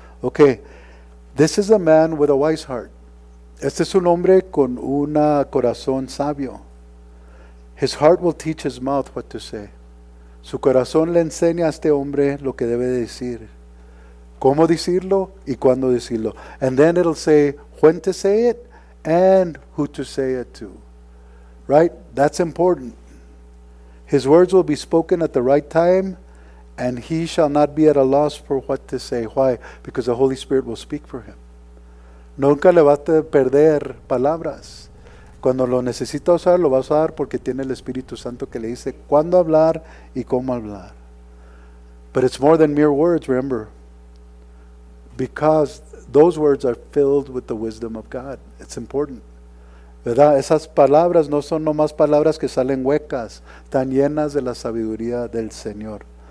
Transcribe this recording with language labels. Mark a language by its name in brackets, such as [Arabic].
[English] Okay, this is a man with a wise heart. [Spanish] Este es un hombre con un corazón sabio. [English] His heart will teach his mouth what to say. [Spanish] Su corazón le enseña a este hombre lo que debe decir. Cómo decirlo y cuándo decirlo. [English] And then it'll say when to say it and who to say it to. Right? That's important. His words will be spoken at the right time and he shall not be at a loss for what to say. Why? Because the Holy Spirit will speak for him. [Spanish] Nunca le va a perder palabras. Cuando lo necesita usar, lo va a usar porque tiene el Espíritu Santo que le dice cuándo hablar y cómo hablar. [English] But it's more than mere words, remember. Because those words are filled with the wisdom of God. It's important. [Spanish] ¿Verdad? Esas palabras no son nomás palabras que salen huecas, están llenas de la sabiduría del Señor.